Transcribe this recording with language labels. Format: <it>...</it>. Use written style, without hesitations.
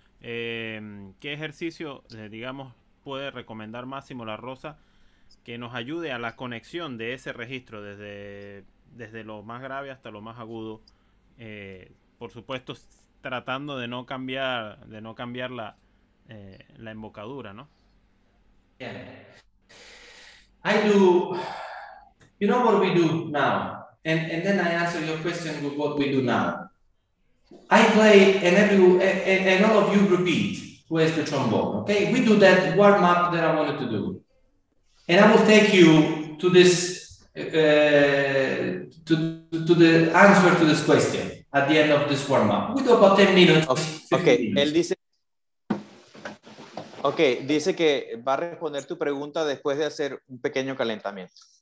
<es>¿Qué ejercicio, digamos, puede recomendar Máximo La Rosa que nos ayude a la conexión de ese registro desde lo más grave hasta lo más agudo, por supuesto tratando de no cambiar la la embocadura, ¿no?</es> <en>Yeah. I do. You know what we do now, and then I answer your question with what we do now. I play and all of you repeat who has the trombone. Okay, we do that warm up that I wanted to do, and I will take you to this to the answer to this question at the end of this warm up. We do about 10 minutes.</en> <es>Okay, él dice. Ok, dice que va a responder tu pregunta después de hacer un pequeño calentamiento.</es>